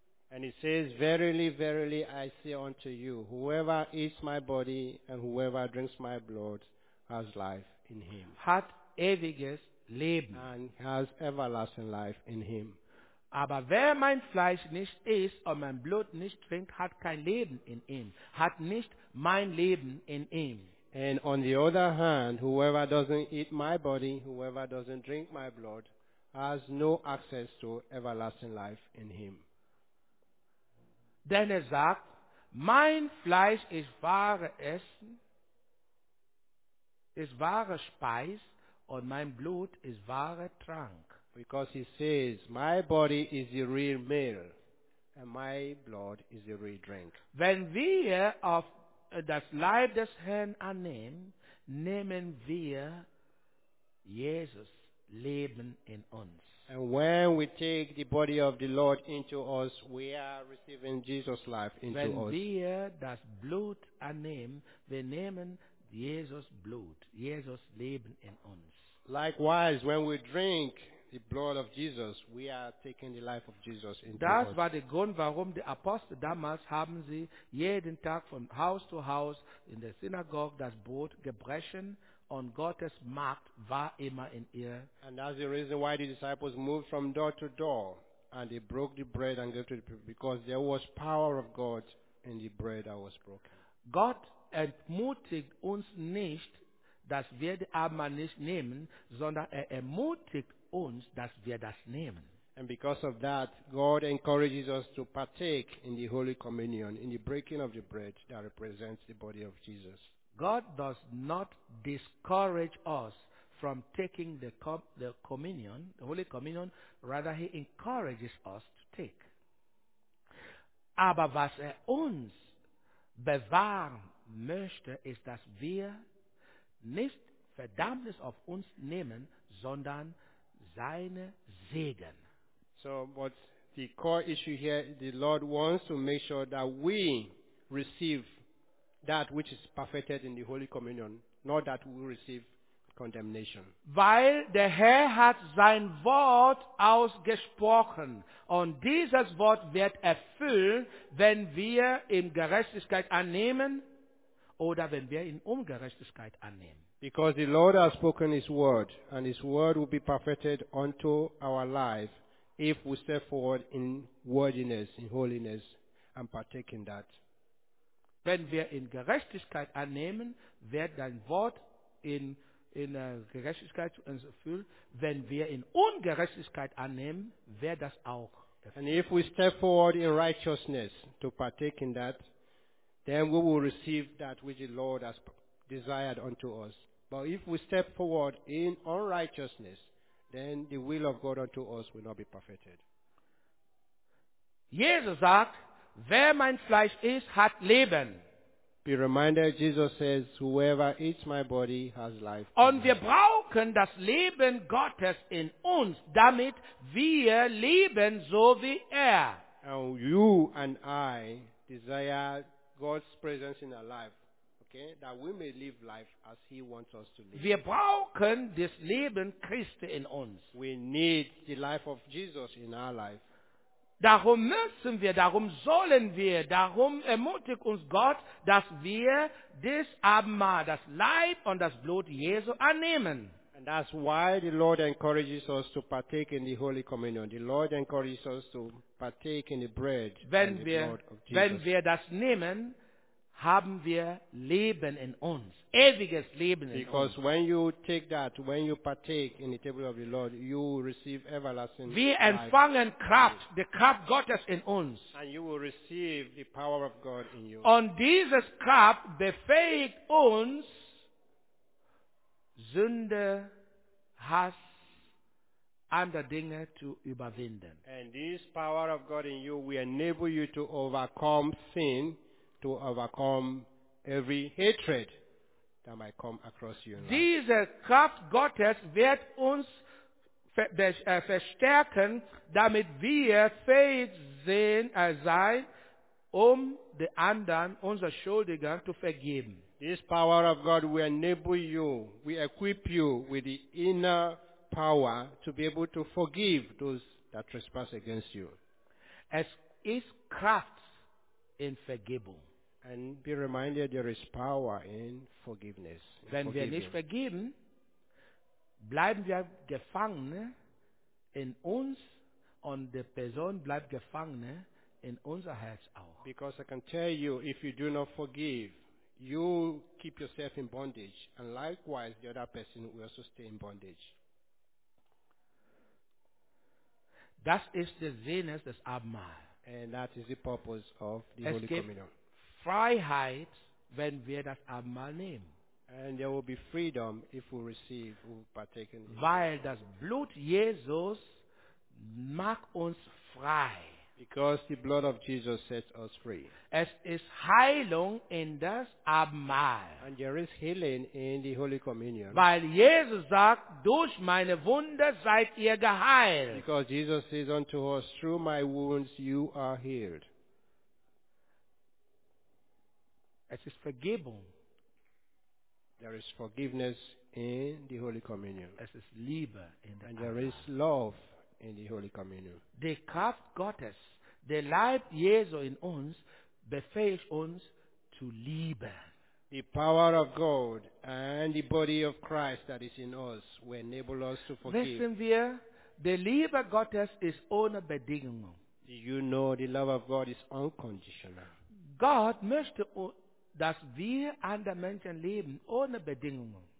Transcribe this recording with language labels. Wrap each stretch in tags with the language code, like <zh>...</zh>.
<en>And he says, verily, verily, I say unto you, whoever eats my body and whoever drinks my blood has life in him.</en> <de>Hat ewiges Leben.</de> <en>And has everlasting life in him.</en> <de>Aber wer mein Fleisch nicht isst und mein Blut nicht trinkt, hat kein Leben in ihm. Hat nicht mein Leben in ihm.</de> <en>And on the other hand, whoever doesn't eat my body, whoever doesn't drink my blood, has no access to everlasting life in him.</en> <de>Denn sagt, mein Fleisch ist wahre Essen, ist wahre Speis, und mein Blut ist wahre Trank.</de> <en>Because he says, my body is the real meal, and my blood is the real drink.</en> <de>Wenn wir auf das Leib des Herrn annehmen, nehmen wir Jesus Leben in uns.</de> <en>And when we take the body of the Lord into us, we are receiving Jesus' life into</en> <de>wenn</de> <en>us.</en> <de>Wenn wir das Blut annehmen, wir nehmen Jesus Blut, Jesus Leben in uns.</de> <en>Likewise, when we drink the blood of Jesus, we are taking the life of Jesus into</en> <de>das</de> <en>us.</en> <de>Das war der Grund, warum die Apostel damals haben sie jeden Tag von Haus zu Haus in der Synagoge das Brot gebrechen, und Gottes Macht war immer in ihr.</de> <en>And that's the reason why the disciples moved from door to door, and they broke the bread and gave to the people, because there was power of God in the bread that was broken.</en> <de>Gott entmutigt uns nicht, dass wir die Abendmahl nicht nehmen, sondern ermutigt uns, dass wir das nehmen.</de> <en>And because of that, God encourages us to partake in the Holy Communion, in the breaking of the bread that represents the body of Jesus. God does not discourage us from taking the communion, the Holy Communion, rather he encourages us to take.</en> <de>Aber was uns bewahren möchte, ist, dass wir nicht Verdammnis auf uns nehmen, sondern seine Segen.</de> <en>So, but the core issue here, the Lord wants to make sure that we receive that which is perfected in the Holy Communion, not that we receive condemnation.</en> <de>Weil der Herr hat sein Wort ausgesprochen, und dieses Wort wird erfüllen, wenn wir in Gerechtigkeit annehmen oder wenn wir in Ungerechtigkeit annehmen.</de> <en>Because the Lord has spoken his word, and his word will be perfected unto our life if we step forward in worthiness, in holiness, and partake in that.</en> <de>Wenn wir in Gerechtigkeit annehmen, wird dein Wort in Gerechtigkeit uns erfüllt. Wenn wir in Ungerechtigkeit annehmen, wird das auch erfüllt.</de> <en>And if we step forward in righteousness to partake in that, then we will receive that which the Lord has desired unto us. But if we step forward in unrighteousness, then the will of God unto us will not be perfected.</en> <de>Jesus sagt, wer mein Fleisch isst, hat Leben.</de> <en>Be reminded, Jesus says, whoever eats my body has life.</en> <de>Und wir brauchen das Leben Gottes in uns, damit wir leben so wie er.</de> <en>And you and I desire God's presence in our life. Okay, that we may live life as he wants us to live.</en> <de>Wir brauchen das Leben Christi in uns.</de> <en>We need the life of Jesus in our life.</en> <de>Darum müssen wir, darum sollen wir, darum ermutigt uns Gott, dass wir dies Abendmahl, das Leib und das Blut Jesu annehmen.</de> <en>And that's why the Lord encourages us to partake in the Holy Communion. The Lord encourages us to partake in the bread</en> <de>wenn</de> <en>and the</en> <de>wir,</de> <en>blood of Jesus.</en> <de>Wenn wir das nehmen, haben wir Leben in uns, ewiges Leben in uns.</de> <en>Because when you take that, when you partake in the table of the Lord, you will receive everlasting life.</en> <de>Wir empfangen Kraft, die Kraft Gottes in uns.</de> <en>And you will receive the power of God in you.</en> <de>Und dieses Kraft befähigt uns, Sünde, Hass, andere Dinge zu überwinden.</de> <en>And this power of God in you will enable you to overcome sin, to overcome every hatred that might come across you.</en> <de>Diese Kraft Gottes wird uns verstärken, damit wir fähig sein, den anderen, unser Schuldigen, zu vergeben.</de> <en>This power of God will enable you, will equip you with the inner power to be able to forgive those that trespass against you.</en> <de>As is Kraft in Vergebung.</de> <en>And be reminded there is power in forgiveness. In</en> <de>Wenn</de> <en>forgiving.</en> <de>Wir nicht vergeben, bleiben wir gefangen in uns und die Person bleibt gefangen in unser Herz auch.</de> <en>Because I can tell you, if you do not forgive, you keep yourself in bondage, and likewise, the other person will also stay in bondage.</en> <de>Das ist der Sinn des Abendmahl.</de> <en>And that is the purpose of the</en> <de>es</de> <en>Holy Communion.</en> <de>Freiheit, wenn wir das Abendmahl nehmen.</de> <en>And there will be freedom if we receive, we partake in it.</en> <de>Weil das Blut Jesus macht uns frei.</de> <en>Because the blood of Jesus sets us free.</en> <de>Es ist Heilung in das Abendmahl.</de> <en>And there is healing in the Holy Communion.</en> <de>Weil Jesus sagt, durch meine Wunde seid ihr geheilt.</de> <en>Because Jesus says unto us, through my wounds you are healed.</en> <de>Es ist Vergebung.</de> <en>There is forgiveness in the Holy Communion.</en> <de>Es ist Liebe in der</de> <en>And there is love. In the Holy Communion.</en> <de>Die Kraft Gottes, der Leib Jesu in uns, befähigt uns zu lieben.</de> <en>The power of God and the body of Christ that is in us will enable us to forgive.</en> <de>Wissen wir, der Liebe Gottes ist ohne Bedingungen.</de> <en>Do you know the love of God is unconditional?</en> <de>God möchte, dass wir andere Menschen leben ohne Bedingungen.</de>